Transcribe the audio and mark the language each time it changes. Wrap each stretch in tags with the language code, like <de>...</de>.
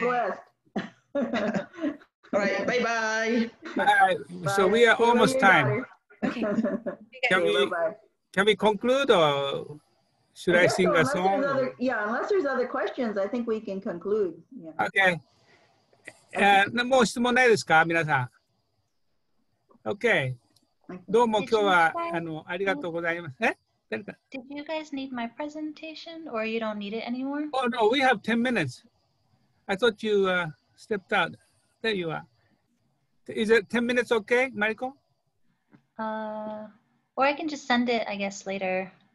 <en>Blessed. All right. Bye bye. So we are almost time. Okay. Can we conclude or Should I sing a song? Unless there's other questions, I think we can conclude. Yeah. Okay.</en> <ja>もう質問ないですか皆さん。</ja> <en>OK。</en> <ja>どうも今日は ありがとうございます。え誰か</ja> <en>Did you guys need my presentation or you don't need it anymore? Oh no, we have 10 minutes. I thought you stepped out. There you are. Is it 10 minutes okay, Mariko? Or I can just send it, I guess, later.</en>